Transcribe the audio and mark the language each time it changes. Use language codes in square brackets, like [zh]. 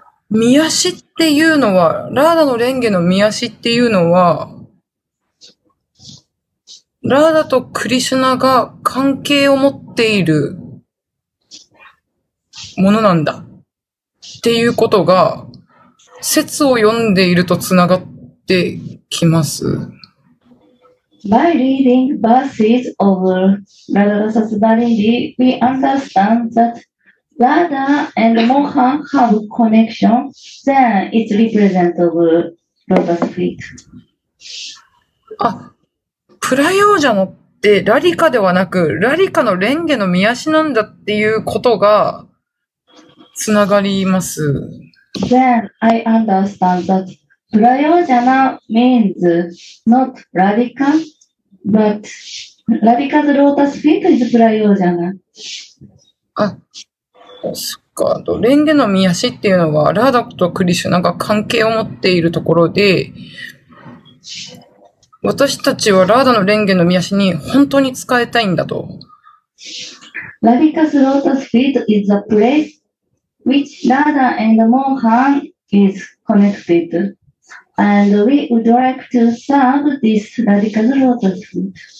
[ja] 御足っていうのは、ラーダの蓮華の御足っていうのは、ラーダとクリシュナが関係を持っているものなんだっていうことが、説を読んでいるとつながってきます。 [en] By reading verses of Radha Rasasvarini, we understand that Radha and Mohan have connection, then it's represent of lotus feet. [ja] あ、プラヨージャのってラリカではなく、ラリカの蓮華の御足なんだっていうことが繋がります。 [en] then I understand that Prayojana means not Radhika, but Radhika's lotus feet is Prayojana. [ja] あ、そっか。レンゲの御足っていうのはラダクとクリシュナが関係を持っているところで、私たちはラーダのレンゲの御足に本当に使いたいんだと。 [en] ラディカスロータスフィート is a place which Radha and Mohan is connected and we would like to serve this ラディカスロータスフィート。